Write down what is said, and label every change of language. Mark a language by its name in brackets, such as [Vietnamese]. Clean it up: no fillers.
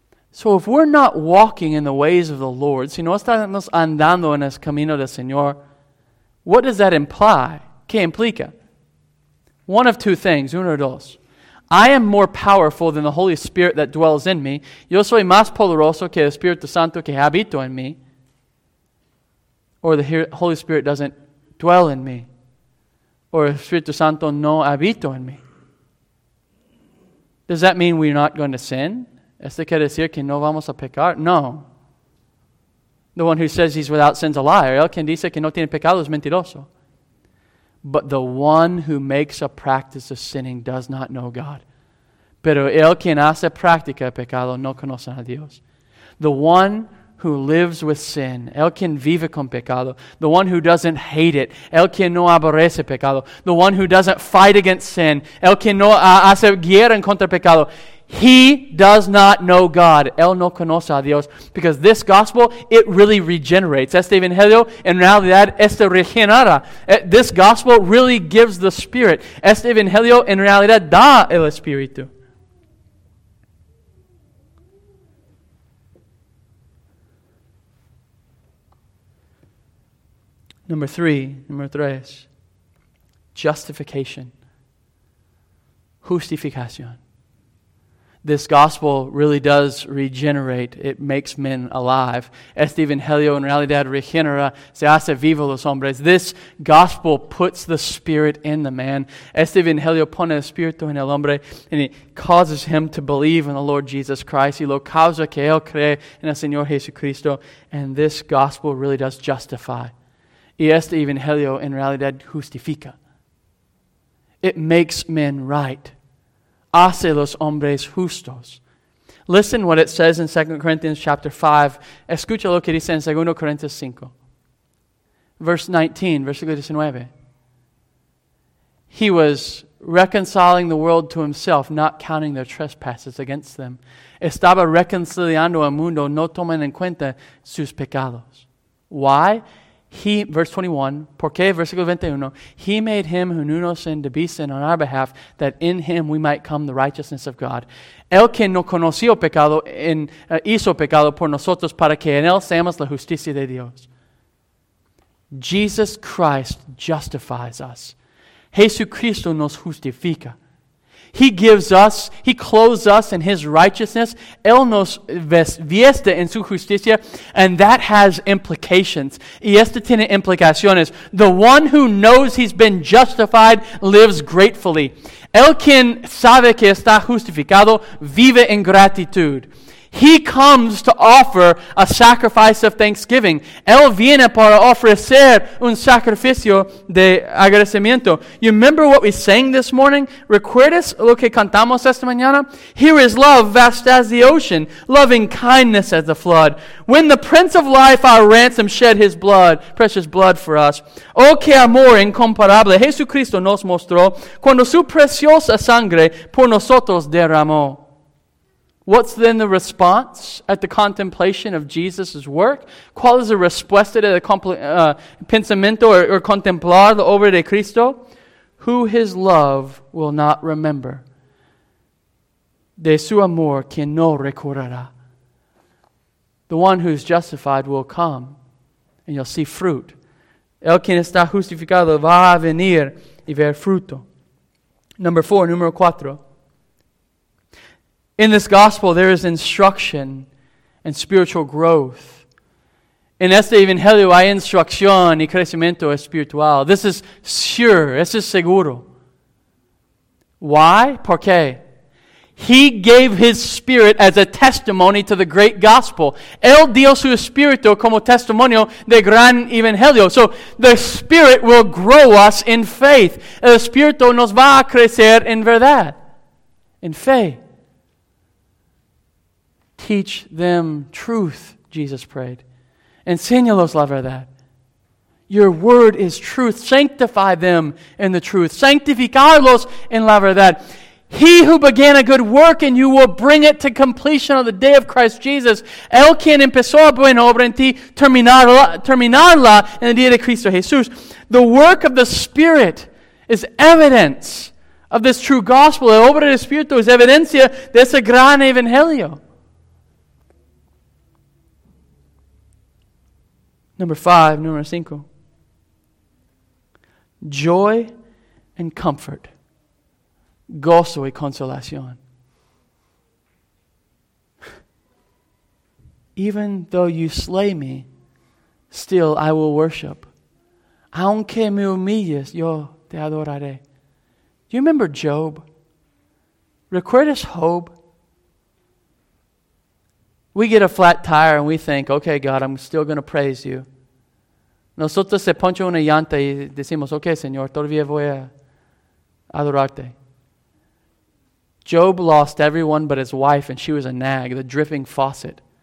[English] So if we're not walking in the ways of the Lord, [Spanish] si no estamos andando en el camino del Señor, [English] what does that imply? [Spanish] ¿Qué implica? [English] One of two things, [Spanish] uno o dos. [English] I am more powerful than the Holy Spirit that dwells in me. [Spanish] Yo soy más poderoso que el Espíritu Santo que habito en mí. [English] Or the Holy Spirit doesn't dwell in me, or [Spanish] Espíritu Santo no habito en mí. [English] Does that mean we're not going to sin? [Spanish] ¿Esto quiere decir que no vamos a pecar? [English] No. The one who says he's without sin is a liar. [Spanish] El quien dice que no tiene pecado es mentiroso. [English] But the one who makes a practice of sinning does not know God. [Spanish] Pero el quien hace práctica de pecado no conoce a Dios. [English] The one who lives with sin, [Spanish] el quien vive con pecado, [English] the one who doesn't hate it, [Spanish] el quien no aborrece pecado, [English] the one who doesn't fight against sin, [Spanish] el quien no hace guerra en contra pecado, [English] he does not know God, [Spanish] el no conoce a Dios, [English] because this gospel, it really regenerates. [Spanish] Este evangelio, en realidad, este regenera. [English] This gospel really gives the Spirit. [Spanish] Este evangelio, en realidad, da el Espíritu. [English] Number three, justification, justificación. This gospel really does regenerate. It makes men alive. [Spanish] Este evangelio en realidad regenera, se hace vivo los hombres. [English] This gospel puts the Spirit in the man. [Spanish] Este evangelio pone el Espíritu en el hombre, [English] and it causes him to believe in the Lord Jesus Christ. [Spanish] Y lo causa que él cree en el Señor Jesucristo. [English] And this gospel really does justify. [Spanish] Y este evangelio en realidad justifica. [English] It makes men right. [Spanish] Hace los hombres justos. [English] Listen what it says in 2 Corinthians chapter 5. [Spanish] Escucha lo que dice en 2 Corinthians 5. [English] Verse 19, [Spanish] versículo 19. [English] He was reconciling the world to himself, not counting their trespasses against them. [Spanish] Estaba reconciliando al mundo, no tomando en cuenta sus pecados. [English] Why? He, verse 21, [Spanish] porque, versículo 21, [English] he made him who knew no sin to be sin on our behalf, that in him we might come the righteousness of God. [Spanish] El que no conoció pecado hizo pecado por nosotros para que en él seamos la justicia de Dios. [English] Jesus Christ justifies us. [Spanish] Jesucristo nos justifica. [English] He gives us, he clothes us in his righteousness. [Spanish] Él nos viste en su justicia. [English] And that has implications. [Spanish] Y esto tiene implicaciones. [English] The one who knows he's been justified lives gratefully. [Spanish] El quien sabe que está justificado vive en gratitud. [English] He comes to offer a sacrifice of thanksgiving. [Spanish] Él viene para ofrecer un sacrificio de agradecimiento. [English] You remember what we sang this morning? [Spanish] ¿Recuerdas lo que cantamos esta mañana? [English] Here is love vast as the ocean, loving kindness as the flood. When the Prince of Life, our ransom, shed his blood, precious blood for us. [Spanish] Oh, qué amor incomparable Jesucristo nos mostró cuando su preciosa sangre por nosotros derramó. [English] What's then the response at the contemplation of Jesus' work? [Spanish] ¿Cuál es la respuesta de pensamiento or contemplar la obra de Cristo? [English] Who his love will not remember. [Spanish] De su amor, quien no recordará. [English] The one who is justified will come, and you'll see fruit. [Spanish] El quien está justificado va a venir y ver fruto. [English] Number four, [Spanish] número cuatro. [English] In this gospel, there is instruction and spiritual growth. [Spanish] En este evangelio hay instrucción y crecimiento espiritual. [English] This is sure. This is seguro. Why? [Spanish] ¿Por qué? [English] He gave his spirit as a testimony to the great gospel. [Spanish] Él dio su espíritu como testimonio del gran evangelio. [English] So the spirit will grow us in faith. [Spanish] El espíritu nos va a crecer en verdad. En fe. [English] Teach them truth, Jesus prayed. [Spanish] Enséñalos la verdad. [English] Your word is truth. Sanctify them in the truth. [Spanish] Sanctificarlos en la verdad. [English] He who began a good work in you will bring it to completion on the day of Christ Jesus. [Spanish] El quien empezó a buena obra en ti terminarla en el día de Cristo Jesús. [English] The work of the Spirit is evidence of this true gospel. [Spanish] El obra del Espíritu es evidencia de ese gran evangelio. [English] Number five, [Spanish] número cinco. [English] Joy and comfort. [Spanish] Gozo y consolación. [English] Even though you slay me, still I will worship. [Spanish] Aunque me humilles, yo te adoraré. [English] Do you remember Job? [Spanish] ¿Recuerdas Job? [English] We get a flat tire and we think, okay, God, I'm still going to praise you. [Spanish] Nosotros se poncho una llanta y decimos, ok, Señor, todavía voy a adorarte. [English] Job lost everyone but his wife, and she was a nag, the dripping faucet.